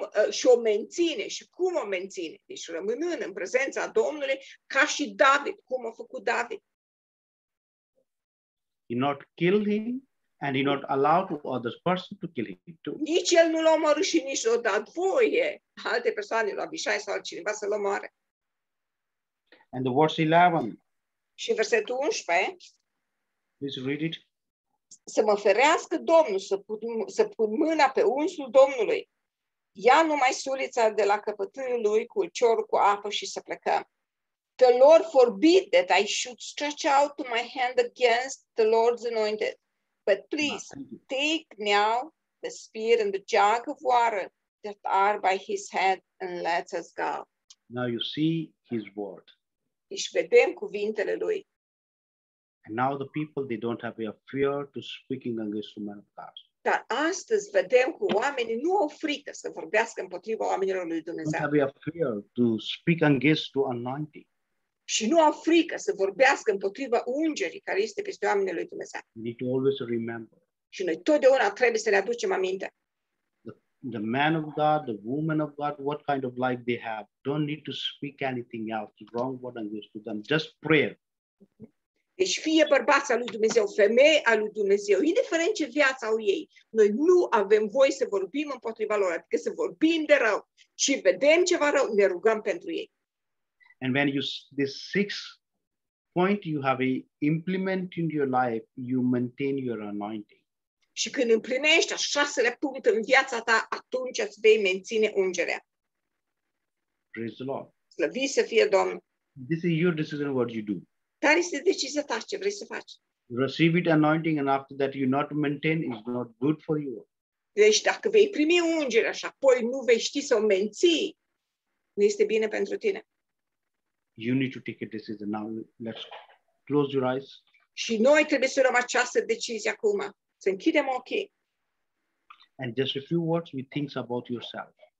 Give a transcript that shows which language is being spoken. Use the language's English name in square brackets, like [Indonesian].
[Romanian] Și o menține, și cum o menține? Deci rămânând în prezența Domnului, ca și David, cum a făcut David. [English] He not killed him, and he not allowed to other person to kill him too. [Romanian] Nici el nu l-a omorât și nici nu a dat voie alte persoane, la Abishai sau cineva să-l omoare. [English] And the verse 11. [Romanian] Și versetul 11. [English] Please read it. [Romanian] Să mă ferească Domnul, să pun mâna pe unsul Domnului. Ia numai sulița de la căpătâiul lui, cu ulciorul, cu apă și să plecăm. [English] The Lord forbid that I should stretch out my hand against the Lord's anointed. But please, take now the spear and the jug of water that are by his hand and let us go. Now you see his word. [Romanian] Deci vedem cuvintele lui. [English] And now the people, they don't have a fear to speaking against the man of God. [Romanian] Dar astăzi vedem că oamenii nu au frică să vorbească împotriva oamenilor lui Dumnezeu. [English] Don't have a fear to speak against the anointing. [Romanian] Și nu au frică să vorbească împotriva ungerii care este peste oamenii lui Dumnezeu. [English] We need to always remember. [Romanian] Și noi totdeauna trebuie să ne aducem aminte. [English] The man of God, the woman of God, what kind of life they have. Don't need to speak anything else, wrong word against them. Just prayer. [Romanian] Deci fie bărbați al lui Dumnezeu, femeie al lui Dumnezeu, indiferent ce viață au ei, noi nu avem voie să vorbim împotriva lor, adică să vorbim de rău, ci vedem ceva rău, ne rugăm pentru ei. [English] And when you this sixth point you have a implement in your life, you maintain your anointing. [Romanian] Și când împlinești a șasele puncte în viața ta, atunci îți vei menține ungerea. [English] Praise the Lord. [Romanian] Slăviți să fie Domnul. [English] This is your decision what you do. [Romanian] Care este decizia ta, ce vrei să faci? [English] Receive it anointing and after that you not maintain is not good for you. [Romanian] Deci dacă vei primi ungere și apoi nu vei ști să o menții, nu este bine pentru tine. [English] You need to take a decision now. Let's close your eyes. [Romanian] Și noi trebuie să luăm această decizie acum. Să închidem ochii. [English] And just a few words we think about yourself.